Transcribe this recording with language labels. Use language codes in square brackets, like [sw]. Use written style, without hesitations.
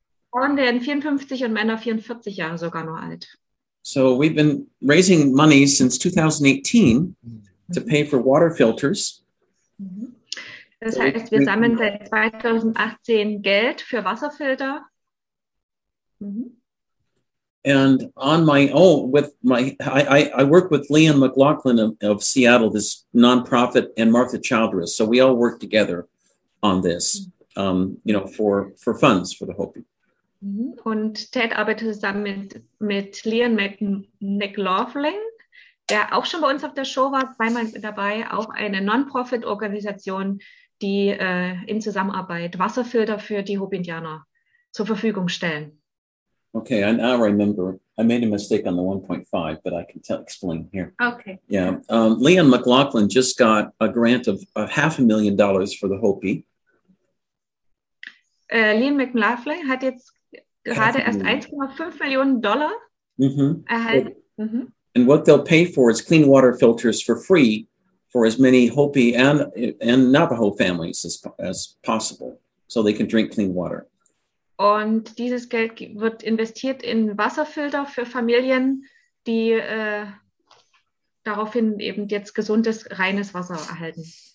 [de] Frauen werden 54 und Männer 44 Jahre sogar nur alt. [en] So we've been raising money since 2018 to pay for water filters. [de] Das heißt, wir sammeln seit 2018 Geld für Wasserfilter. [en] And on my own, I work with Leon McLaughlin of Seattle, this nonprofit, and Martha Childress. So we all work together on this, for funds for the Hopi. [de] Und Ted arbeitet zusammen mit Leon McLaughlin, der auch schon bei uns auf der Show war, zweimal dabei, auch eine Nonprofit-Organisation, die in Zusammenarbeit Wasserfilter für die Hopi-Indianer zur Verfügung stellen. [en] Okay, now I remember. I made a mistake on the 1.5, but I can explain here. Okay. Yeah, Leon McLaughlin just got a grant of $500,000 for the Hopi. [de] Leon McLaughlin hat jetzt gerade erst $1.5 million erhalten. [en] And what they'll pay for is clean water filters for free for as many Hopi and Navajo families as possible, so they can drink clean water. [de] Und dieses Geld wird investiert in Wasserfilter für Familien, die daraufhin eben jetzt gesundes, reines Wasser erhalten.